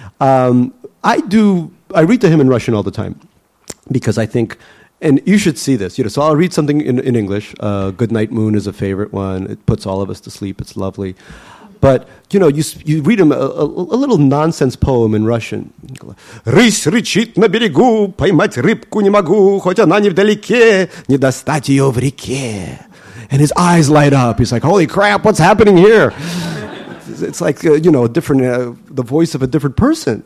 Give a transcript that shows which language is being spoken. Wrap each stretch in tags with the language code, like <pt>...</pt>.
<en>I read to him in Russian all the time because I think, and you should see this, you know, so I'll read something in English. Good Night Moon is a favorite one. It puts all of us to sleep. It's lovely. But, you know, you read him a little nonsense poem in Russian.</en> <ru>Рысь рычит на берегу, поймать рыбку не могу, хоть она невдалеке, не достать ее в реке.</ru> <en>And his eyes light up. He's like, holy crap, what's happening here? It's like, you know, a different the voice of a different person.</en>